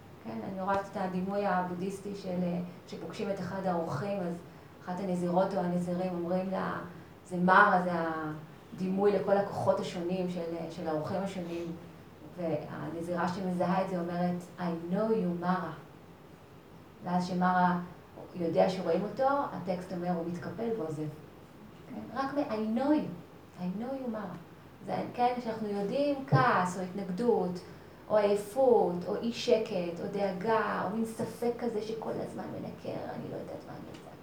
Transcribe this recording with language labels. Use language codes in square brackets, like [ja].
[he] כן, אני רואה את הדימוי הבודיסטי של שפוגשים את אחד האורחים, אז אחת הנזירות או הנזירים אומרים לה, זה מרא, זה הדימוי לכל הכוחות השונים של, של האורחים השונים. והנזירה שמזהה את זה אומרת, [en] I know you, [he] מרא. ואז שמרא יודע שרואים אותו, הטקסט אומר, הוא מתקפל ועוזב. כן? רק מ- [en] I know you, I know you, [he] מרא. זה כן, שאנחנו יודעים כעס או התנגדות, או עייפות, או אי שקט, או דאגה, או מין ספק כזה שכל הזמן מנקר, אני לא יודעת מה אני יודעת.